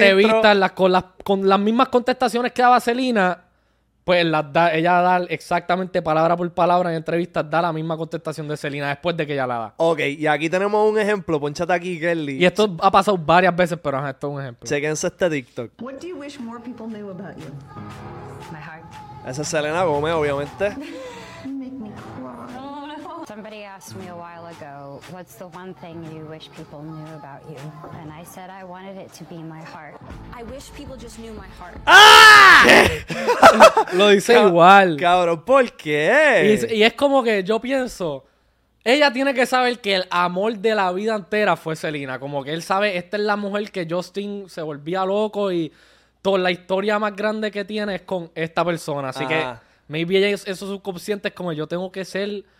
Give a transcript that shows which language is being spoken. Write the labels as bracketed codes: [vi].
[es] Las entrevistas, con las mismas contestaciones que daba Selena, pues ella da exactamente palabra por palabra en entrevistas, da la misma contestación de Selena después de que ella la da. Ok, y aquí tenemos un ejemplo. Ponchate aquí, Kelly. Y esto ha pasado varias veces, pero esto es un ejemplo. Chequense este TikTok. ¿Qué te gustaría que más personas sepan de ti? Mi corazón. Esa es Selena Gomez, obviamente. [en] Somebody asked me a while ago, what's the one thing you wish people knew about you? And I said I wanted it to be my heart. I wish people just knew my heart. ¡Ah! [es] Lo dice igual. Cabrón, ¿por qué? Y es como que yo pienso, ella tiene que saber que el amor de la vida entera fue Selena. Como que él sabe, esta es la mujer que Justin se volvía loco y toda la historia más grande que tiene es con esta persona. Así que maybe ella, eso subconsciente es como yo tengo que ser...